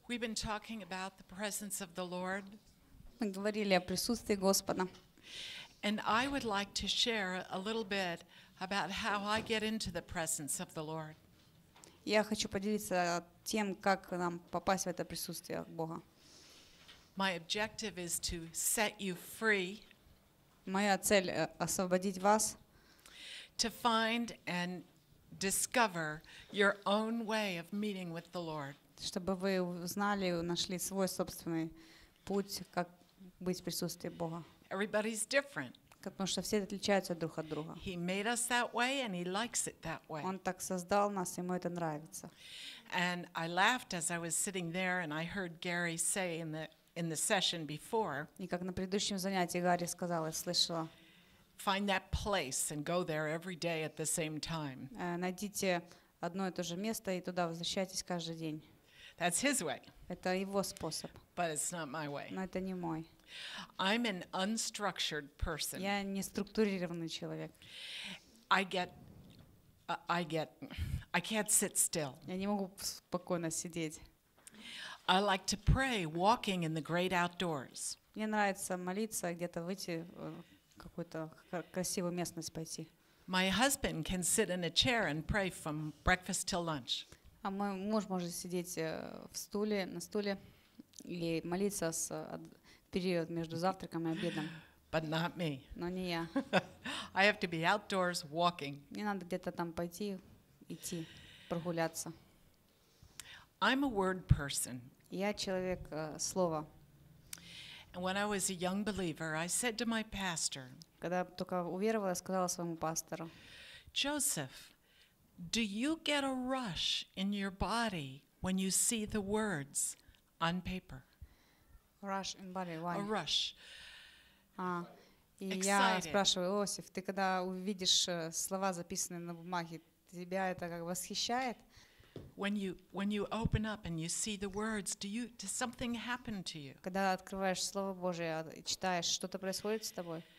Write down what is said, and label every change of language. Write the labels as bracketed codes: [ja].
[en] We've been talking about the presence of the Lord. [ru] Мы говорили о присутствии Господа. [en] And I would like to share a little bit about how I get into the presence of the Lord. [ru] Я хочу поделиться тем, как нам попасть в это присутствие Бога. [en] My objective is to set you free. [ru] Моя цель освободить вас. [en] To find and discover your own way of meeting with the Lord. [ru] Чтобы вы узнали, нашли свой собственный путь, как быть в присутствии Бога. [en] Everybody's different. [ru] Потому что все отличаются друг от друга. [en] He made us that way and he likes it that way. [ru] Он так создал нас, ему это нравится. [en] And I laughed as I was sitting there and I heard Gary say in the session before. [ru] И как на предыдущем занятии Гарри сказал, я слышала. [en] Find that place and go there every day at the same time. [ru] Найдите одно и то же место и туда возвращайтесь каждый день. [en] That's his way. [ru] Это его способ. [en] But it's not my way. [ru] Но это не мой. [en] I'm an unstructured person. [ru] Я не структурированный человек. [en] I can't sit still. [ru] Я не могу спокойно сидеть. [en] I like to pray walking in the great outdoors. [ru] Мне нравится молиться где-то выйти какую-то красивую местность пойти. [en] My husband can sit in a chair and pray from breakfast till lunch. [ru] А мой муж может сидеть в стуле, на стуле и молиться с период между завтраком и обедом. [en] But not me. [ru] Но не я. [en] I have to be outdoors walking. [ru] Мне надо где-то там пойти, идти, прогуляться. [en] I'm a word person. [ru] Я человек слова. [en] And when I was a young believer, I said to my pastor. [ru] Когда только уверовала, сказала своему пастору. [en] Joseph, do you get a rush in your body when you see the words on paper? Rush in body, why? A rush. [ru] И я спрашиваю, Иосиф, ты когда увидишь слова, записанные на бумаге, тебя это как восхищает? [en] When you open up and you see the words, does something happen to you? [ru] Когда открываешь Слово Божие и читаешь, что-то происходит с тобой?